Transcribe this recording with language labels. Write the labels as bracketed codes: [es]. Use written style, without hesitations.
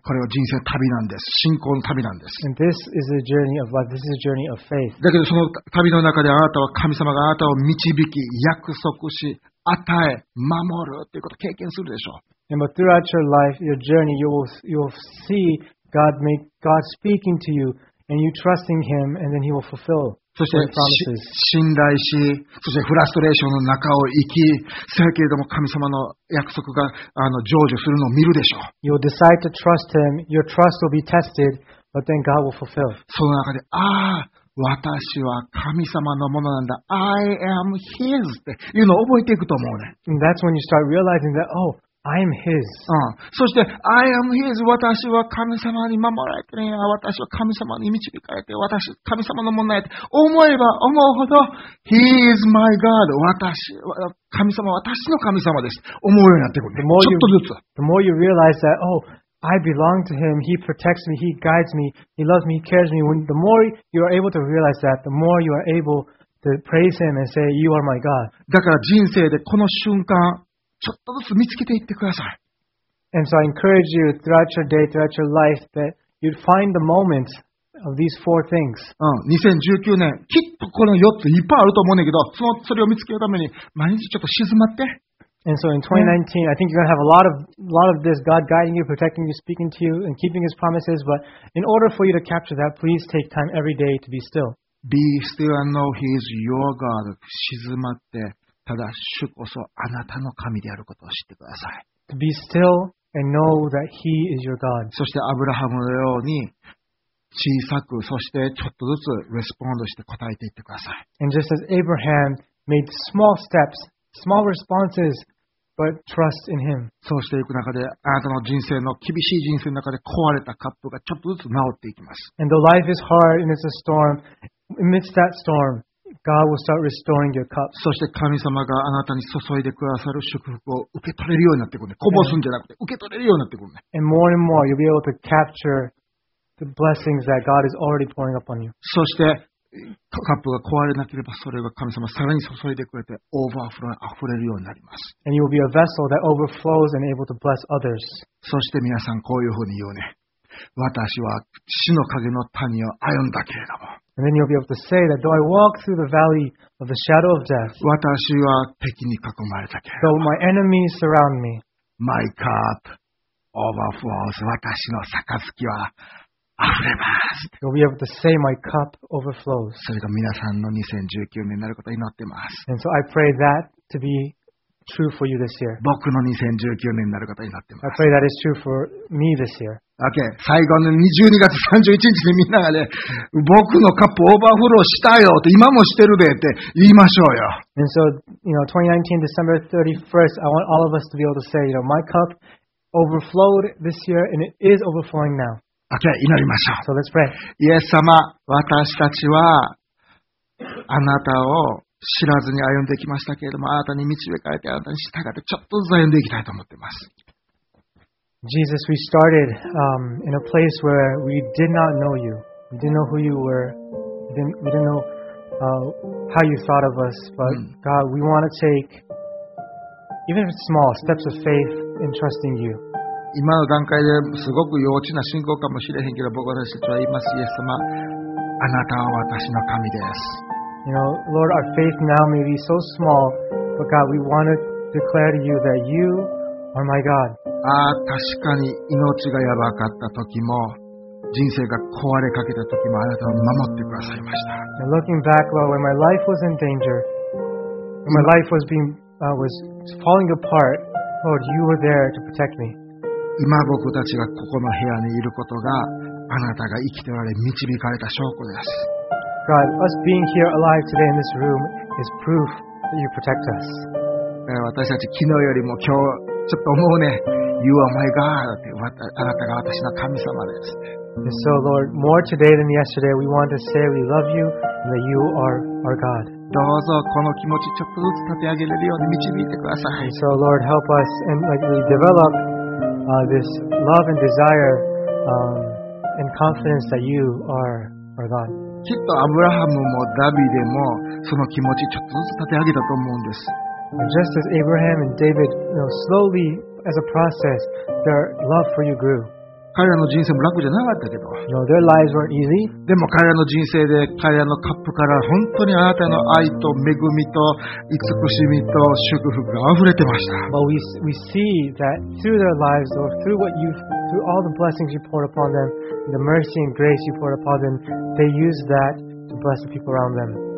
[ja] これは人生の旅なんです。信仰の旅なんです。 [en] And this is a journey of life. This is a journey of faith. [ja] だけどその旅の中であなたは神様があなたを導き、約束し、与え、守るということを経験するでしょう。 [en] And but throughout your life, your journey, you will see God speaking to you, and you trusting Him, and then He will fulfill His promises. [ja] 信頼し、そしてフラストレーションの中を生き、せやけれども神様の約束が成就するのを見るでしょう。 [en] You'll decide to trust Him. Your trust will be tested, but then God will fulfill. [ja] その中で、私は神様のものなんだ。 [en] I am His [ja] っていうのを覚えていくと思うね。 [en] And that's when you start realizing that, oh. I am His. [ja] そして [en] I am His. [ja] 私は神様に守られてるんや。私は神様に導かれて、私神様のものなんやって思えば思うほど [en] He is my God. [ja] 私神様、私の神様です。思うようになってくる、ね。ちょっとずつ。 [en] The more you realize that, oh, I belong to Him. He protects me. He guides me. He loves me. He cares me. When the more you are able to realize that, the more you are able to praise Him and say, "You are my God." [ja] だから人生でこの瞬間ちょっとずつ見つけていってください。 [en] And so I encourage you throughout your day, throughout your life, that you'd find the moments of these four things. [ja] 2019年きっとこの4ついっぱいあると思うんだけど、それを見つけるために毎日ちょっと静まって。 [en] And so in 2019, I think you're going to have a lot of this God guiding you, protecting you, speaking to you, and keeping His promises. But in order for you to capture that, please take time every day to be still. Be still and know He is your God. [ja] 静まって、ただ主こそあなたの神であることを知ってください。 [en] To be still and know that He is your God. [ja] そしてアブラハムのように小さく、そしてちょっとずつレスポンドして答えていってください。 [en] And just as Abraham made small steps, small responses, but trust in Him. [ja] そうしていく中で、あなたの人生の厳しい人生の中で壊れたカップがちょっとずつ治っていきます。 [en] And though life is hard and it's a storm, amidst that storm, God will start restoring your cup. [ja] そして神様があなたに注いでくださる祝福を受け取れるようになってくるね。こぼすんじゃなくて、受け取れるようになってくるね。 [en] And more and more, you'll be able to capture the blessings that God is already pouring upon you. [ja] そして、カップが壊れなければそれが神様さらに注いでくれてオーバーフローに溢れるようになります。 [en] And you will be a vessel that overflows and able to bless others. [ja] そして皆さんこういうふうに言うね、私は死の影の谷を歩んだけれども、 [en] And then you'll be able to say that though I walk through the valley of the shadow of death, [ja] 私は敵に囲まれたけれども、 [en] though my enemies surround me, my cup overflows, [ja] 私の杯は溢れます。 [en] You'll be able to say my cup overflows. [ja] それが皆さんの2019年になることを祈っています。 [en] And so I pray that to be true for you this year. [ja] 僕の2019年になることを祈っています。 [en] I pray that is true for me this year. Okay. [ja] 最後の12月31日にみんながね、僕のカップオーバーフローしたよって今もしてるべって言いましょうよ。 [en] And so, you know, 2019 December 31st, I want all of us to be able to say, you know, my cup overflowed this year and it is overflowing now. [ja] Okay, 祈りましょう。 [en] So let's pray. [ja] イエス様、私たちはあなたを知らずに歩んできましたけれども、あなたに導かれてあなたに従ってちょっとずつ歩んでいきたいと思っています。 [en] Jesus, we started in a place where we did not know you. We didn't know who you were. We didn't know how you thought of us. But God, we want to take even if it's small steps of faith in trusting you. [ja] 今の段階ですごく幼稚な信仰かもしれへんけど、僕たちは言います、イエス様、あなたは私の神です。 [en] You know, Lord, our faith now may be so small, but God, we want to declare to you that you are my God. [ja] ああ、確かに命がやばかった時も、人生が壊れかけた時も、あなたは守ってくださいました。 [en] Now, looking back, Lord, when my life was in danger, when my life was being, was falling apart, Lord, you were there to protect me. [ja] 今僕たちがここの部屋にいることがあなたが生きておられ導かれた証拠です。 [en] God, us being here alive today in this room is proof that you protect us. [ja] 私たち昨日よりも今日ちょっと思うね。 [en] You are my God. [ja] あなたが私の神様です。 [en] And so, Lord, more today than yesterday, we want to say we love you and that you are our God. [ja] どうぞこの気持ちちょっとずつ立て上げれるように導いてください。 [en] And so, Lord, help us and like we develop. This love and desire and confidence that you are our God. [ja] きっとアブラハムもダビデもその気持ちちょっとずつ立て上げたと思うんです。 [en] Just as Abraham and David, you know, slowly as a process, their love for you grew. [ja] 彼らの人生も楽じゃなかったけど。 [en] You know, their lives weren't easy. [ja] でも彼らの人生で彼らのカップから本当にあなたの愛と恵みと慈しみと祝福が溢れてました。 [en] But we see that through their lives, or through all the blessings you poured upon them, the mercy and grace you poured upon them, they used that to bless the people around them.